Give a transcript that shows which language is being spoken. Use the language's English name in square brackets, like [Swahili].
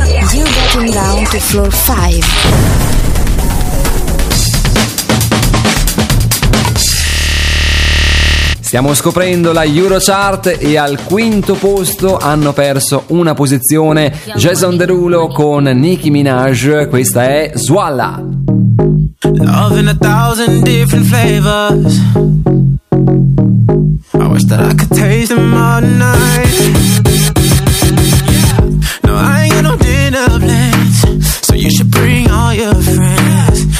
[English] You got him down to floor 5. [Italian] Stiamo scoprendo la Eurochart e al quinto posto hanno perso una posizione Jason Derulo con Nicki Minaj. Questa è Swalla. [English] Love in 1,000 different flavors. I wish that I could taste them all night. No, I ain't got no dinner plans, so you should bring all your friends.